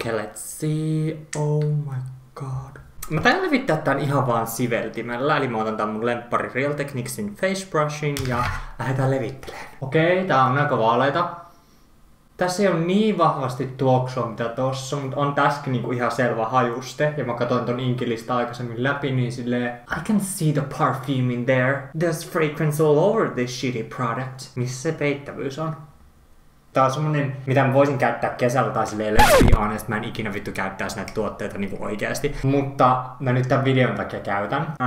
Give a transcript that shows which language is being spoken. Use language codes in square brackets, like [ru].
[en] Okay, let's see. Oh my god. [fi] Mä tain levittää tän ihan vaan siveltimellä, eli mä otan tän mun lemppari Real Techniquesin face brushin ja lähdetään levittelemään. Okei, tää on aika vaaleita. Tässä ei ole niin vahvasti tuoksua mitä tossa, mutta on tässäkin niinku ihan selvä hajuste. Ja mä katsoin ton inkilistä aikaisemmin läpi, niin silleen [en] I can see the perfume in there. There's fragrance all over this shitty product. [fi] Missä se peittävyys on? Tää on semmonen, mitä mä voisin käyttää kesällä tai silleen lesbiaan, että mä en ikinä vittu käyttää näitä tuotteita niinku oikeesti. Mutta mä nyt tän videon takia käytän.